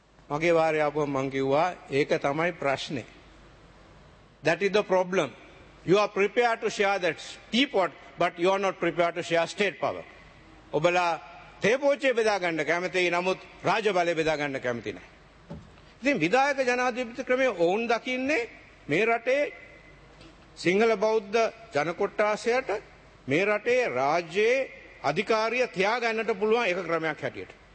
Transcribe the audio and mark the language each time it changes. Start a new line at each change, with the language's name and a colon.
Sinhala: මගේ වාරේ ආපුවම මං කිව්වා ඒක තමයි ප්‍රශ්නේ.
English: That is the problem. You are prepared to share that teapot, but you are not prepared to share state power.
Sinhala: ඔබලා තේපෝච්චේ බෙදා ගන්න කැමතියි, නමුත් රාජ්‍ය බලය බෙදා ගන්න කැමති නැහැ. ඉතින් විධායක ජනාධිපති ක්‍රමය ඔවුන් දකින්නේ මේ රටේ සිංහල බෞද්ධ ජන කොට්ටාසයට මේ රටේ රාජ්‍යයේ අධිකාරිය තියාගන්නට පුළුවන් එක ක්‍රමයක් හැටියට.